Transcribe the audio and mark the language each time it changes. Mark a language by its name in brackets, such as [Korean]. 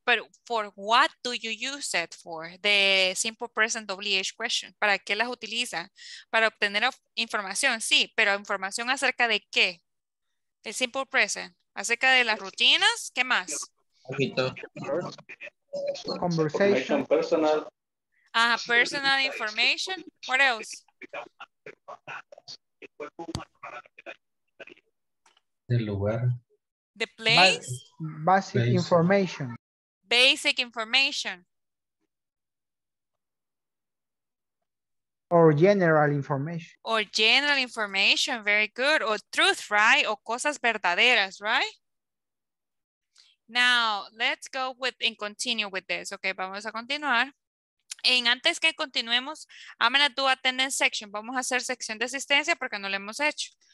[English] But for what do you use it for? The simple present WH question. [Spanish] ¿Para qué las utiliza? Para obtener información, sí, pero información acerca de qué? El simple present. Acerca de las rutinas, ¿qué más? [English] Conversation. Personal. Ah, personal information. What else? [Spanish] El lugar. [English] The place. Basic information. Basic information. Or general information. Or general information. Very good. Or truth, right? [Spanish] O cosas verdaderas, right? [English] Now, let's go with and continue with this. [Spanish] Okay, vamos a continuar. En antes que continuemos, [English] I'm going to do attendance section. [Spanish] Vamos a hacer sección de asistencia porque no lo hemos hecho.